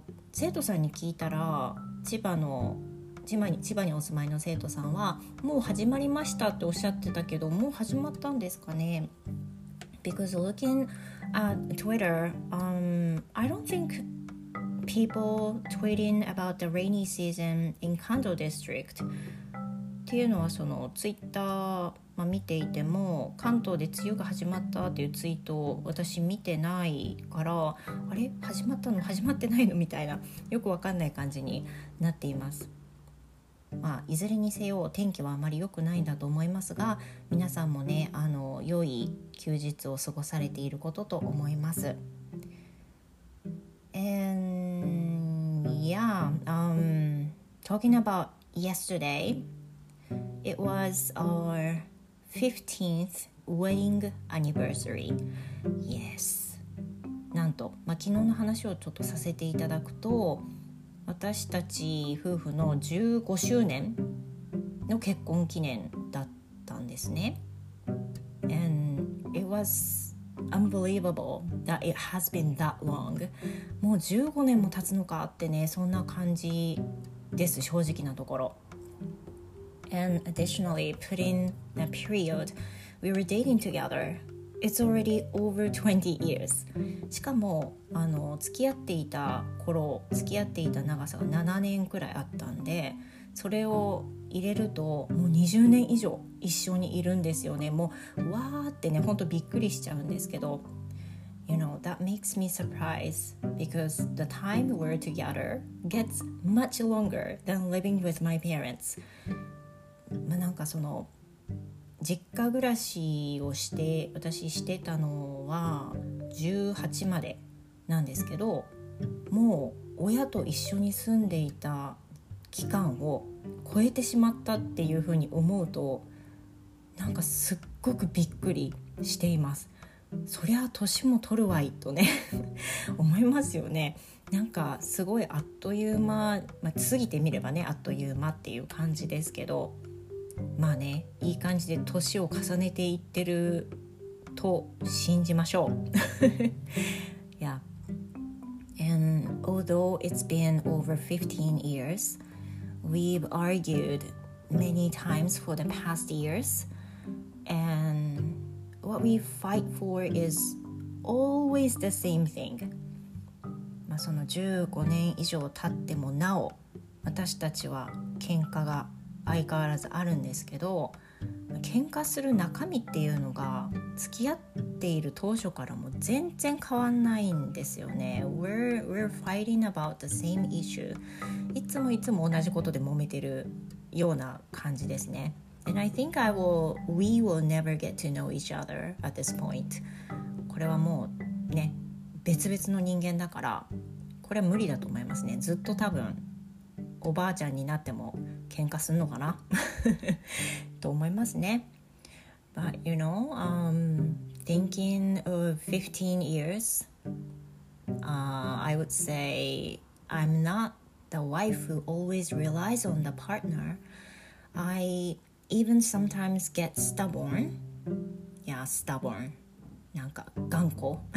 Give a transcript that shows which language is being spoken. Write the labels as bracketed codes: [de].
[ja] 生徒さんに聞いたら、千葉にお住まいの生徒さんはもう始まりましたっておっしゃってたけど、もう始まったんですかね。 [en] Because looking at Twitter, I don't think people tweeting about the rainy season in Kanto district [ja] っていうのは、そのツイッターまあ、見ていても関東で梅雨が始まったっていうツイートを私見てないから、あれ始まったの始まってないのみたいな、よくわかんない感じになっています。まあ、いずれにせよ天気はあまり良くないんだと思いますが、皆さんもね良い休日を過ごされていることと思います。 [en] And yeah, talking about yesterday, it was our 15th wedding anniversary. Yes. [ja] なんと、まあ、昨日の話をちょっとさせていただくと、私たち夫婦の15周年の結婚記念だったんですね。 [en] And it was unbelievable that it has been that long. [ja] もう15年も経つのかってね、そんな感じです、正直なところ。 [en] And additionally, putting the period we were dating together, it's already over 20 years. [ja] しかも、付き合っていた頃、付き合っていた長さが7年くらいあったんで、それを入れるともう20年以上一緒にいるんですよね。もう、わーってね、本当びっくりしちゃうんですけど。 [en] You know, that makes me surprised because the time we're together gets much longer than living with my parents. [ja] まあ、なんかその実家暮らしをして私してたのは18までなんですけど、もう親と一緒に住んでいた期間を超えてしまったっていうふうに思うと、なんかすっごくびっくりしています。そりゃ年も取るわいとね思いますよね。なんかすごいあっという間、まあ、過ぎてみればねあっという間っていう感じですけど、まあね、いい感じで年を重ねていってると信じましょう。 Yeah. [en] And although it's been over 15 years, we've argued many times for the past years. And what we fight for is always the same thing. [ja] まあその15年以上経ってもなお私たちは喧嘩が相変わらずあるんですけど、喧嘩する中身っていうのが付き合っている当初からも全然変わんないんですよね。 [en] We're fighting about the same issue。 [ja] いつもいつも同じことで揉めてるような感じですね。 [en] And I think we will never get to know each other at this point。 [ja] これはもうね、別々の人間だからこれは無理だと思いますね。ずっと多分おばあちゃんになっても喧嘩すんのかなと思いますね。 [en] But you know、thinking of 15 years、I would say I'm not the wife who always relies on the partner。 I even sometimes get stubborn。 Yeah, stubborn、 [ja] なんか頑固。